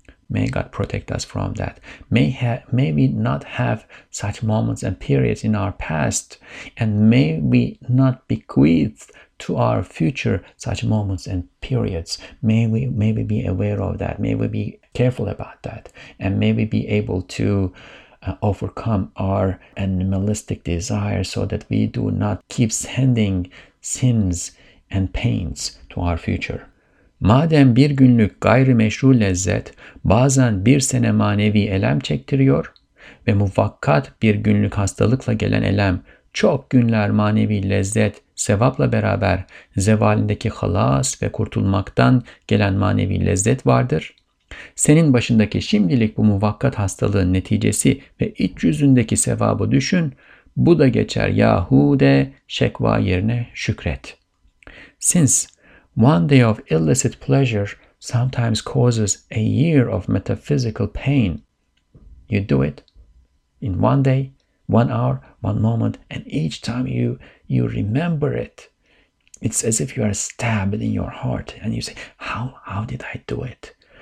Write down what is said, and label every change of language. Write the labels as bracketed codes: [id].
[en] May God protect us from that. May we not have such moments and periods in our past, and may we not bequeath to our future such moments and periods. May we be aware of that. May we be careful about that, and may we be able to overcome our animalistic desires so that we do not keep sending sins and pains to our future. [tr] Madem bir günlük gayrimeşru lezzet bazen bir sene manevi elem çektiriyor ve muvakkat bir günlük hastalıkla gelen elem çok günler manevi lezzet, sevapla beraber zevalindeki halas ve kurtulmaktan gelen manevi lezzet vardır. Senin başındaki şimdilik bu muvakkat hastalığın neticesi ve iç yüzündeki sevabı düşün, bu da geçer yahu de şekva yerine şükret. [en] Since one day of illicit pleasure sometimes causes a year of metaphysical pain, you do it in one day, one hour, one moment, and each time you remember it, it's as if you are stabbed in your heart and you say, how did I do it?